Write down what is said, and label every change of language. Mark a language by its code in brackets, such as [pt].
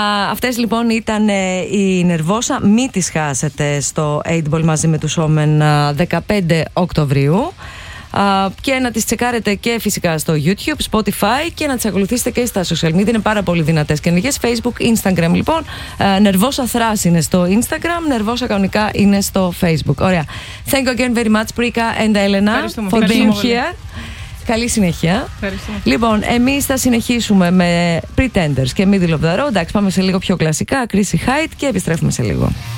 [el] Αυτές λοιπόν ήταν οι Nervosa. Μην τις χάσετε στο 8 Ball μαζί με τους Omen 15 Οκτωβρίου. Και να τις τσεκάρετε και φυσικά στο YouTube, Spotify και να τις ακολουθήσετε και στα social media. Είναι πάρα πολύ δυνατές και ενεργές. Facebook, Instagram λοιπόν. Nervosa Thrash είναι στο Instagram, Nervosa κανονικά είναι στο Facebook. Ωραία. [en] Thank you again very much, Prika and Elena, for being here. [el] Καλή συνέχεια. Ευχαριστούμε. Λοιπόν, εμείς θα συνεχίσουμε με Pretenders και Middle of the Road. Εντάξει, πάμε σε λίγο πιο κλασικά, Chrissy Hyde, και επιστρέφουμε σε λίγο.